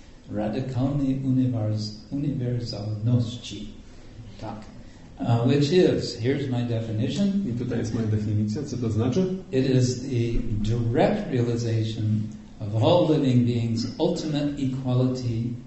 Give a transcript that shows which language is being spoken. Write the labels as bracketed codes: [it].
[pl] Radykalnej uniwersalności. Tak. [en] Which is, here's my definition. [pl] I tutaj jest moja definicja, co to znaczy? [en] It is the direct realization of all living beings' ultimate equality.